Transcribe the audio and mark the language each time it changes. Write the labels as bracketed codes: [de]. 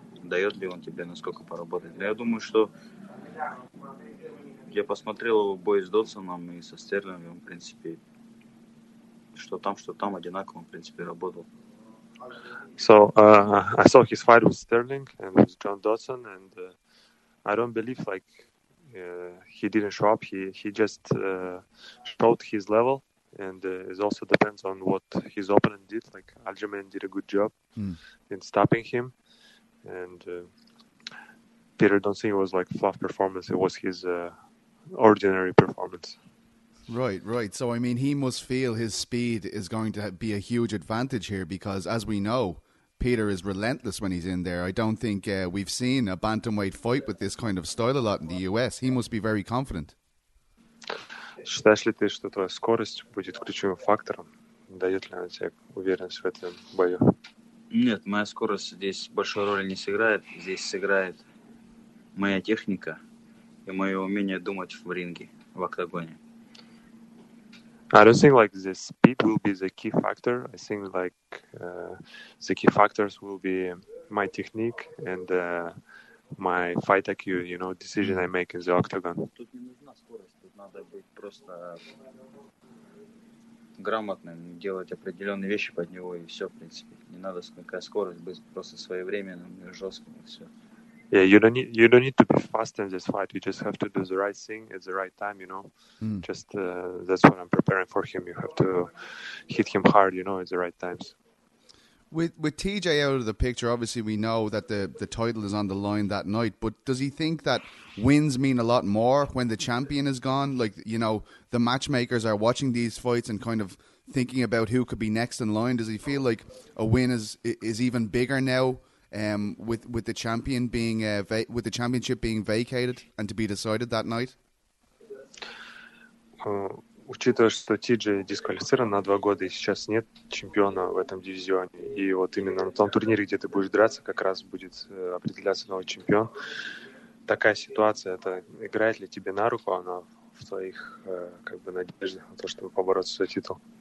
[ru] Дает ли он тебе, насколько поработать. Я думаю, что я посмотрел его бой с Додсоном и со Стерлингом, в принципе, что там одинаково, в принципе, работал. [en] So, I saw his fight with Sterling and with John Dodson, and I don't believe, like, he didn't show up. He just showed his level, and it also depends on what his opponent did. Like, Aljamain did a good job in stopping him. And Peter, don't think it was like fluff performance. It was his ordinary performance. Right. So, I mean, he must feel his speed is going to be a huge advantage here because, as we know, Peter is relentless when he's in there. I don't think we've seen a bantamweight fight with this kind of style a lot in the US. He must be very confident. [ru] Считаешь ли ты, что твоя скорость будет ключевым фактором? Дает ли она тебе уверенность в этом бою? Нет, моя скорость здесь большой роли не сыграет. Здесь сыграет моя техника и мое умение думать в ринге, в октагоне. [en] I don't think like the speed will be the key factor. I think like the key factors will be my technique and my fight IQ, you know, decision I make in the octagon. [ru] Тут не нужна скорость, тут надо быть просто грамотным, делать определенные вещи под него и все, в принципе. Не надо никакая скорость, быть просто своевременным и жестким и все. [en] Yeah, you don't need to be fast in this fight. You just have to do the right thing at the right time, you know. Just that's what I'm preparing for him. You have to hit him hard, you know, at the right times. With TJ out of the picture, obviously we know that the title is on the line that night, but does he think that wins mean a lot more when the champion is gone? Like, you know, the matchmakers are watching these fights and kind of thinking about who could be next in line. Does he feel like a win is even bigger now? With the champion being with the championship being vacated and to be decided that night. [ru] Учитывая, что TJ дисквалифицирован на 2 года и сейчас нет чемпиона в этом дивизионе, и вот именно на том турнире, где ты будешь драться, как раз будет определяться новый чемпион. Такая ситуация, это играет ли тебе на руку она в твоих как бы надеждах на то, чтобы побороться за титул?